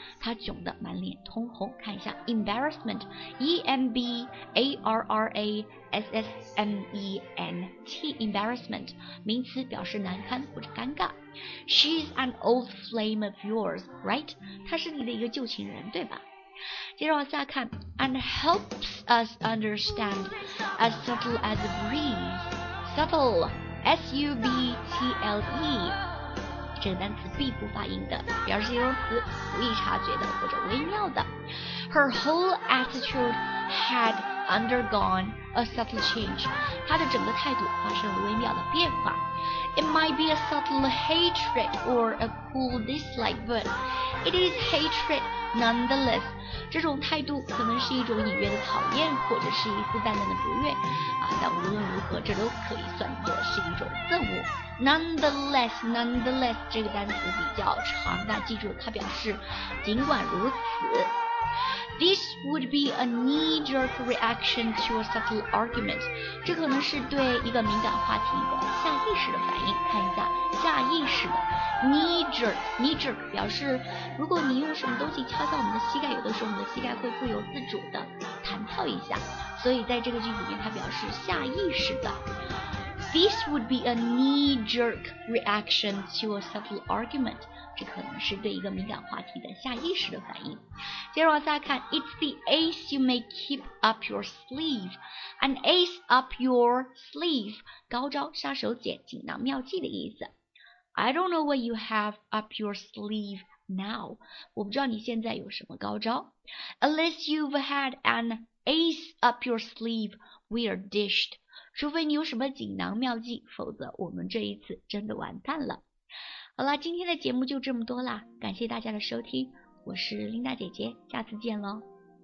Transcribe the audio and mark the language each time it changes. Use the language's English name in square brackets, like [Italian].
[Chinese] 她窘得满脸通红。看一下 embarrassment, E-M-B-A-R-R-A-S-S-M-E-N-T, embarrassment, 名词，表示难堪或者尴尬。 [English] She's an old flame of yours, right? [Chinese] 她是你的一个旧情人，对吧？接着往下看 [English] ，and helps us understand as subtle as a breeze. Subtle, S-U-B-T-L-E. [Chinese] 这个单词必不发音的，表示形容词，不易察觉的或者微妙的。 [English] Her whole attitude had undergone a subtle change. [Chinese] 她的整个态度发生了微妙的变化。 [English] It might be a subtle hatred or a cool dislike, but it is hatred nonetheless. [Chinese] 这种态度可能是一种隐约的讨厌，或者是一丝淡淡的不悦啊。但无论如何，这都可以算作是一种憎恶。 Nonetheless 这个单词比较长，但记住它表示尽管如此。 [English] This would be a knee-jerk reaction to a subtle argument. [Chinese] 这可能是对一个敏感话题的下意识的反应。看一下下意识的 knee-jerk 表示如果你用什么东西敲到我们的膝盖，有的时候我们的膝盖会不由自主的弹跳一下，所以在这个句子里面它表示下意识的。 [English] This would be a knee-jerk reaction to a subtle argument. [Chinese] 这可能是对一个敏感话题的下意识的反应。接着往下看 [English] ，It's the ace you may keep up your sleeve. An ace up your sleeve， [Chinese] 高招、杀手锏、锦囊妙计的意思。 [English] I don't know what you have up your sleeve now. [Chinese] 我不知道你现在有什么高招。 [English] Unless you've had an ace up your sleeve, we are dished. [Chinese] 除非你有什么锦囊妙计，否则我们这一次真的完蛋了。好了，今天的节目就这么多啦，感谢大家的收听，我是琳达姐姐，下次见喽。